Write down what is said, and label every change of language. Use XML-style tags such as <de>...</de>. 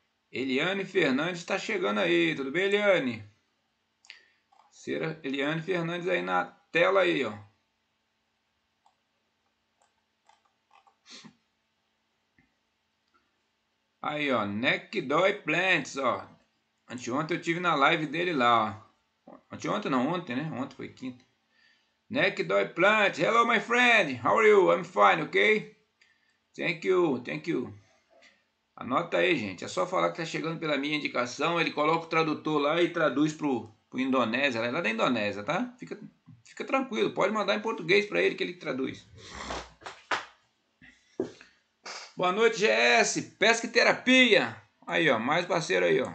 <pt>Eliane Fernandes está chegando aí, tudo bem, Eliane? Será Eliane Fernandes aí na tela aí, ó. Aí, ó, Nekdoy Plants, ó. Anteontem eu tive na live dele lá, ó. Anteontem não, ontem, né? Ontem foi quinta.</pt> <en>Nekdoy Plants, hello my friend, how are you? I'm fine, okay? Thank you.</en> <pt>Anota aí, gente. É só falar que tá chegando pela minha indicação. Ele coloca o tradutor lá e traduz pro Indonésia. Lá da Indonésia, tá? Fica tranquilo. Pode mandar em português para ele que ele traduz. Boa noite, GS. Pesca e terapia. Aí, ó. Mais parceiro aí, ó.</pt>